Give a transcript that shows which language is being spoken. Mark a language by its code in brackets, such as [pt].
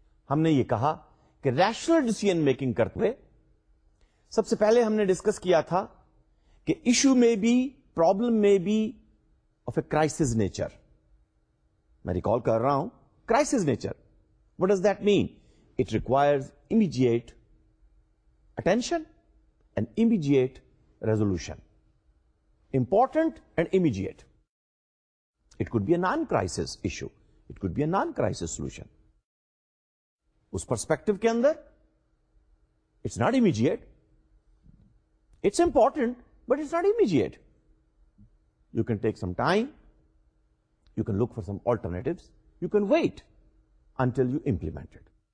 [ur] ہم نے یہ کہا کہ ریشنل ڈیسیژن میکنگ کرتے سب سے پہلے ہم نے ڈسکس کیا تھا کہ ایشو میں بھی پرابلم میں بھی آف اے کرائسس نیچر. میں ریکال کر رہا ہوں crisis nature, [en] What does that mean? It requires immediate attention and immediate resolution. Important and immediate. It could be a non crisis issue, it could be a non crisis solution. [ur] اس perspective کے اندر [en] It's not immediate, it's important but it's not immediate. You can take some time, you can look for some alternatives, you can wait until you implemented.